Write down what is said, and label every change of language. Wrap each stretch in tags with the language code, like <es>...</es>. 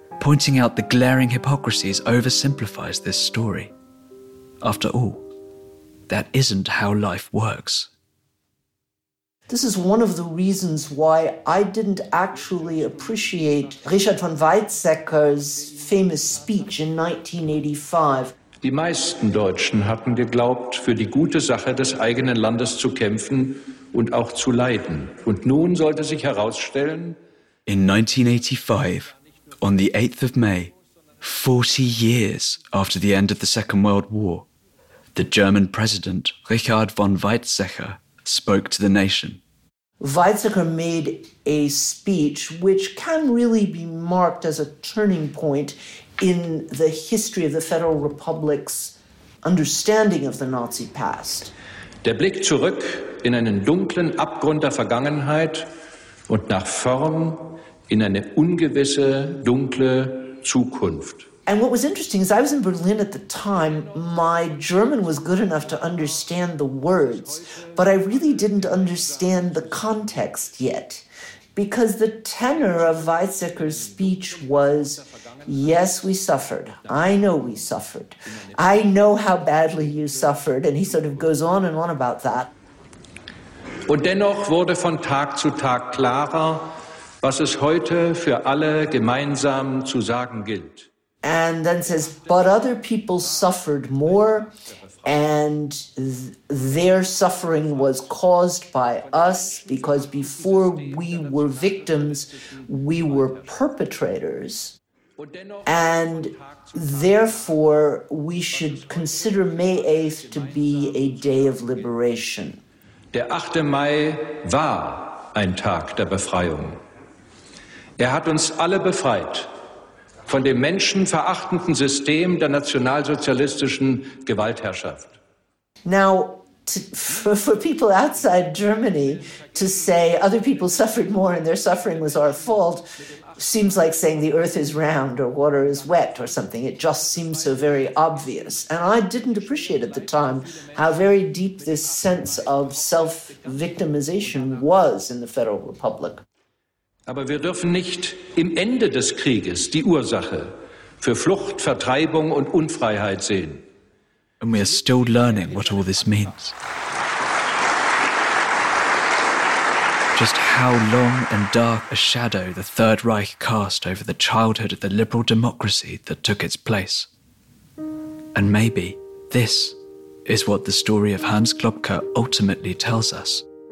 <en>Pointing out the glaring hypocrisies oversimplifies this story. After all, that isn't how life works. This is one of the reasons why I didn't actually appreciate Richard von Weizsäcker's famous speech in 1985.</en> <de>Die meisten Deutschen hatten geglaubt, für die gute Sache des eigenen Landes zu kämpfen und auch zu leiden. Und nun sollte sich herausstellen...</de> <en>In 1985, on the 8th of May, 40 years after the end of the Second World War, the German president, Richard von Weizsäcker, spoke to the nation. Weizsäcker made a speech which can really be marked as a turning point in the history of the Federal Republic's understanding of the Nazi past.</en> <de>Der Blick zurück in einen dunklen Abgrund der Vergangenheit und nach vorn in eine ungewisse, dunkle Zukunft.</de> <en>And what was interesting is I was in Berlin at the time. My German was good enough to understand the words, but I really didn't understand the context yet. Because the tenor of Weizsäcker's speech was, yes, we suffered. I know we suffered. I know how badly you suffered. And he sort of goes on and on about that.</en> <de>Und dennoch wurde von Tag zu Tag klarer, was es heute für alle gemeinsam zu sagen gilt.</de> <en>And then says, but other people suffered more, and their suffering was caused by us, because before we were victims, we were perpetrators. And therefore, we should consider May 8th to be a day of liberation.</en> <de>Der 8. Mai war ein Tag der Befreiung. Hat uns alle befreit. Von dem menschenverachtenden System der nationalsozialistischen Gewaltherrschaft.</de> <en>Now, for people outside Germany to say other people suffered more and their suffering was our fault seems like saying the earth is round or water is wet or something. It just seems so very obvious. And I didn't appreciate at the time how very deep this sense of self-victimization was in the Federal Republic.</en> <de>Aber wir dürfen nicht im Ende des Krieges die Ursache für Flucht, Vertreibung und Unfreiheit sehen.</de> <en>And we are still learning what all this means. Just how long and dark a shadow the Third Reich cast over the childhood of the liberal democracy that took its place. And maybe this is what the story of Hans Globke ultimately tells us.</en>